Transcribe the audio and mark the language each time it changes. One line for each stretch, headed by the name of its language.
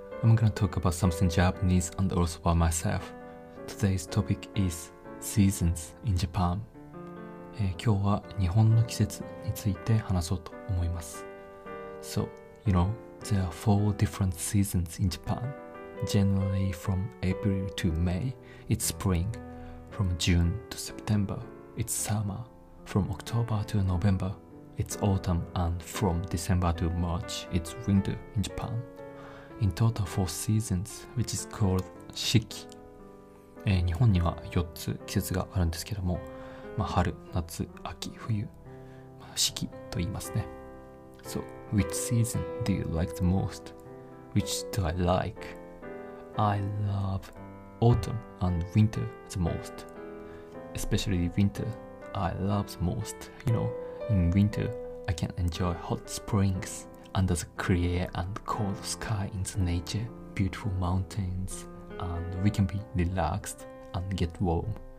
English: I'm gonna talk about something Japanese and also about myself. Today's topic is seasons in Japan.
Japanese: 今日は日本の季節について話そうと思います。
English: So, you know, there are four different seasons in Japan. Generally, from April to May, it's spring. From June to September, it's summer. From October to November,It's autumn, and from December to March, it's winter in Japan. In total, four seasons, which is called 四季。
Japanese: 日本には四つ季節があるんですけども、まあ、春、夏、秋、冬、まあ、四季と言いますね。
English: So, which season do you like the most? Which do I like? I love autumn and winter the most. Especially winter, I love the most, you know. In winter, I can enjoy hot springs under the clear and cold sky in the nature, beautiful mountains, and we can be relaxed and get warm.